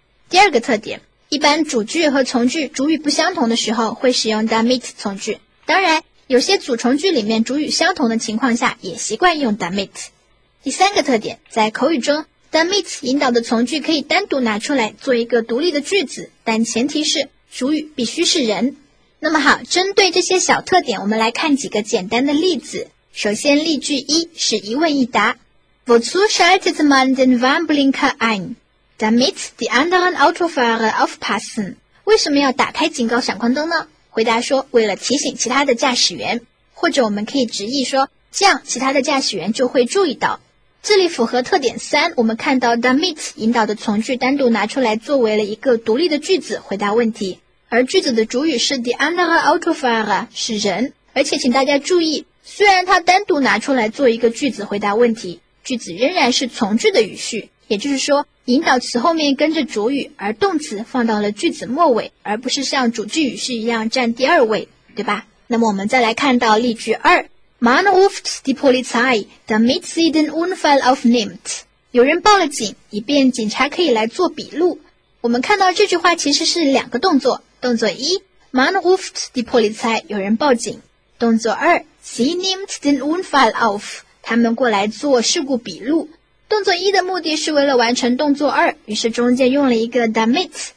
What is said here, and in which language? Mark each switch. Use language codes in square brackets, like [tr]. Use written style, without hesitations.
[zh] 第二个特点，一般主句和从句主语不相同的时候会使用 damit 从句，当然有些主从句里面主语相同的情况下也习惯用 damit。第三个特点，在口语中 damit 引导的从句可以单独拿出来做一个独立的句子，但前提是主语必须是人。那么好，针对这些小特点，我们来看几个简单的例子。首先例句一是一问一答， [de] Wozu schaltet man den Warnblinker ein? Damit die anderen Autofahrer aufpassen. [zh] 为什么要打开警告闪光灯呢？回答说，为了提醒其他的驾驶员。或者我们可以直译说，这样其他的驾驶员就会注意到。这里符合特点三，我们看到 Damit 引导的从句单独拿出来作为了一个独立的句子回答问题。而句子的主语是 [de] die anderen Autofahrer, [zh] 是人。而且请大家注意，虽然它单独拿出来做一个句子回答问题，句子仍然是从句的语序。也就是说，引导词后面跟着主语，而动词放到了句子末尾，而不是像主句语序一样占第二位，对吧？那么我们再来看到例句二， [de] Man ruft die Polizei, damit sie den Unfall aufnimmt. [zh] 有人报了警，以便警察可以来做笔录。我们看到这句话其实是两个动作，动作一， [de] Man ruft die Polizei, [zh] 有人报警。动作二， [de] sie nimmt den Unfall auf, [zh] 他们过来做事故笔录。动作一的目的是为了完成动作二，于是中间用了一个 damit。